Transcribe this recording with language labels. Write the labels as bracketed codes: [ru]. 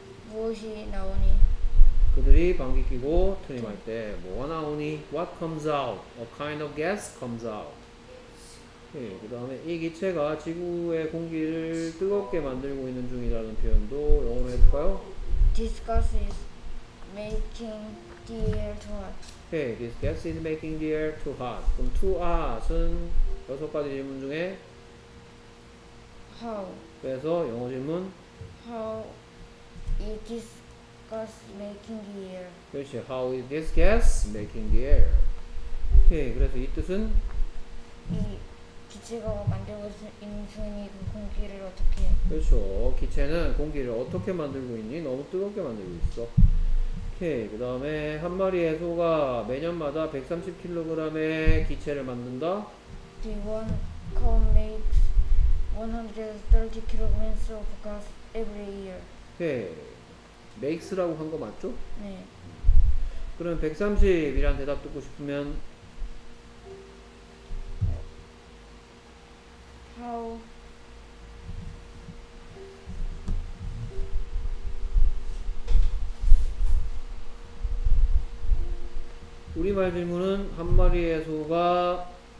[ko] 무엇이 나오니? 그들이 방귀 끼고 트림할 때 뭐가 나오니? [en] What comes out? A kind of gas comes out. [ko] 네, 그 다음에 이 기체가 지구의 공기를 뜨겁게 만들고 있는 중이라는 표현도 영어로 해볼까요? [en] This gas is making the air too hot. 네, this gas is making the air too hot. [ko] 그럼 too hot은 여섯 가지 질문 중에 [en] How? [ko] 그래서 영어 질문 [en] How is this gas making the air? 그렇지, How is this gas making the air? [ko] 네, 그래서 이 뜻은? 기체가 만들고 있는 중이니 그 공기를 어떻게 그렇죠. 기체는 공기를 어떻게 만들고 있니? 너무 뜨겁게 만들고 있어. 오케이. 그 다음에 한 마리의 소가 매년마다 130kg의 기체를 만든다? [en] The one cow makes 130kg of gas every year. [ko] 오케이. makes라고 한 거 맞죠? 네. 그럼 130이란 대답 듣고 싶으면 우리말 질문은 한 마리의 소가